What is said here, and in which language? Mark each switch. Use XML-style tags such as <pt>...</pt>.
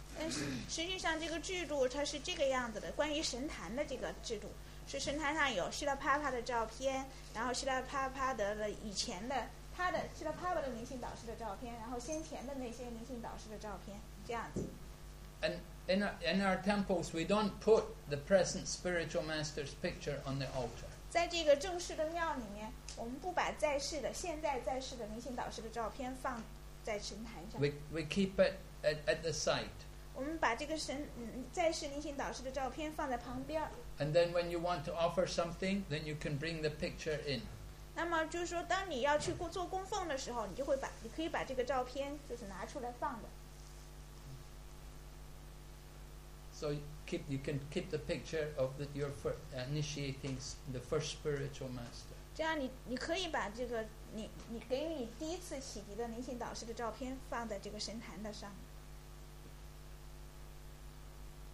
<zh>实际上这个制度它是这个样子的，关于神坛的这个制度，是神坛上有Srila Prabhupada的照片，然后Srila Prabhupada的以前的他的Srila Prabhupada的灵性导师的照片，然后先前的那些灵性导师的照片，这样子。</zh> <en>And in our temples, we don't put the present spiritual master's picture on the altar.</en> <zh>在这个正式的庙里面，我们不把在世的现在在世的灵性导师的照片放在神坛上。</zh> <en>We keep it at the site.</en> <zh>我们把这个神在世灵性导师的照片放在旁边。</zh> <en>And then when you want to offer something, then you can bring the picture in.</en> <zh>那么就是说，当你要去做供奉的时候，你可以把这个照片就是拿出来放的。</zh> <en>So you can keep the picture of your first initiating the first spiritual master.</en> <zh>这样你可以把这个你给你第一次启迪的灵性导师的照片放在这个神坛的上。那假设就是说，我们在这个</zh>